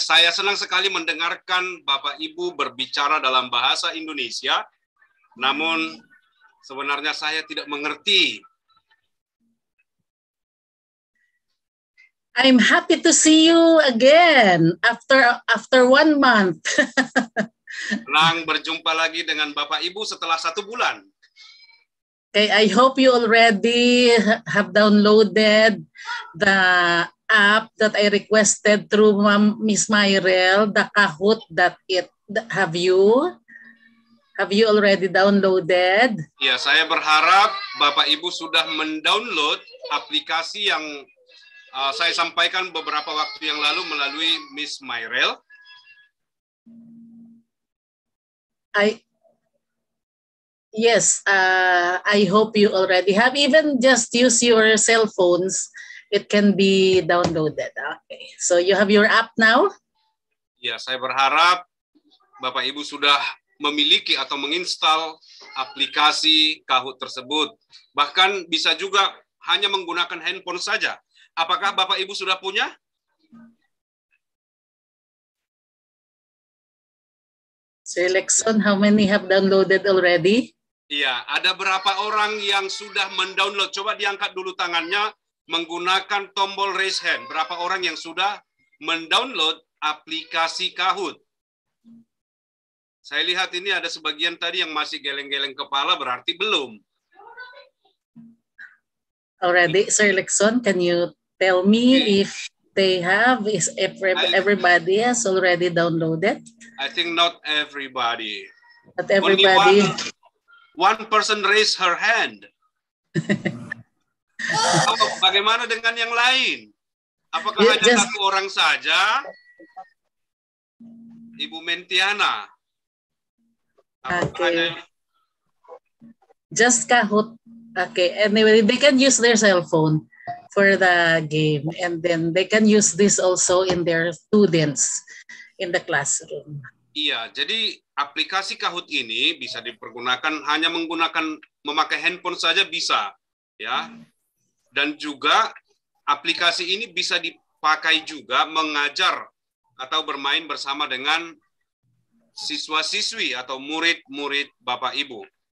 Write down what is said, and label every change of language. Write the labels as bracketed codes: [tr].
[id] Saya senang sekali mendengarkan Bapak Ibu berbicara dalam bahasa Indonesia. Namun sebenarnya saya tidak mengerti. [en] I'm happy to see you again after 1 month. [id] Senang berjumpa lagi dengan Bapak Ibu setelah 1 bulan. [en] Okay, I hope you already have downloaded the app that I requested through Miss Myrel, the Kahoot that it have you. Have you already downloaded? [id] Ya, saya berharap Bapak Ibu sudah mendownload aplikasi yang saya sampaikan beberapa waktu yang lalu melalui Miss Myrel. [en] I hope you already have, even just use your cell phones, it can be downloaded. Okay, so you have your app now? [id] Ya, saya berharap Bapak Ibu sudah memiliki atau menginstal aplikasi Kahoot tersebut. Bahkan bisa juga hanya menggunakan handphone saja. Apakah Bapak Ibu sudah punya? [en] So, Lekson, how many have downloaded already? [id] Iya, ada berapa orang yang sudah mendownload? Coba diangkat dulu tangannya menggunakan tombol raise hand. Berapa orang yang sudah mendownload aplikasi Kahoot? Saya lihat ini ada sebagian tadi yang masih geleng-geleng kepala, berarti belum. [en] Already, so Lekson, can you tell me if they have, is everybody has already downloaded? I think not everybody. Not everybody. One person raise her hand. [id] Bagaimana dengan yang lain? Apakah hanya satu orang saja? Ibu Mentiana. [en] Okay. Just Kahoot. Okay. Anyway, they can use their cell phone for the game, and then they can use this also in their students in the classroom. [id] Iya, jadi aplikasi Kahoot ini bisa dipergunakan hanya menggunakan memakai handphone saja bisa, ya. Dan juga aplikasi ini bisa dipakai juga mengajar atau bermain bersama dengan siswa-siswi atau murid-murid Bapak Ibu.